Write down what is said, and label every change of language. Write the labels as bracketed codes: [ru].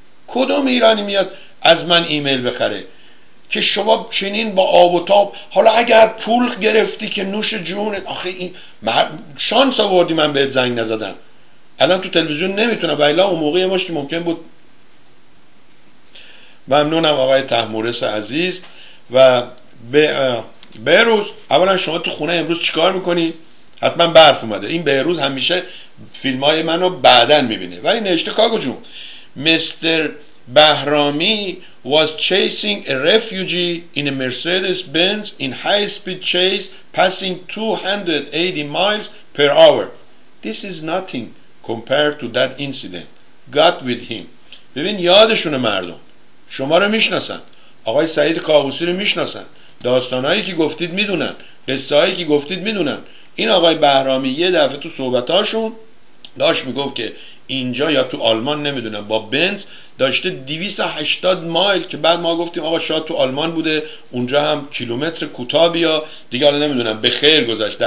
[fa] کدوم ایرانی میاد از من ایمیل بخره که شما چنین با آب و تاب، حالا اگر پول گرفتی که نوش جونت، آخه این شانس آوردی من بهت زنگ نزدم، الان تو تلویزیون نمیتونم، ولی اون موقعی همش که ممکن بود. ممنونم آقای طهمورس عزیز و بهروز. اولا شما تو خونه امروز چیکار میکنی؟ حتما برف اومده. این بهروز همیشه فیلمای منو بعدن میبینه. ولی نشته کاگو جون، مستر بهرامی [en] was chasing a refugee in a Mercedes Benz in high speed chase passing 280 miles per hour. This is nothing compared to that incident. God with him. [fa] ببین یادشونه مردم. شما رو میشناسن. آقای سعید کاووسی رو میشناسن. داستانایی که گفتید میدونن. قصه‌هایی که گفتید میدونن. این آقای بهرامی یه دفعه تو صحبتاشون داشت میگفت که اینجا یا تو آلمان نمیدونم با بنز داشته 280 مایل، که بعد ما گفتیم آقا شاید تو آلمان بوده، اونجا هم کیلومتر کوتاه بیا دیگه، حالا نمیدونم به خیر گذشت.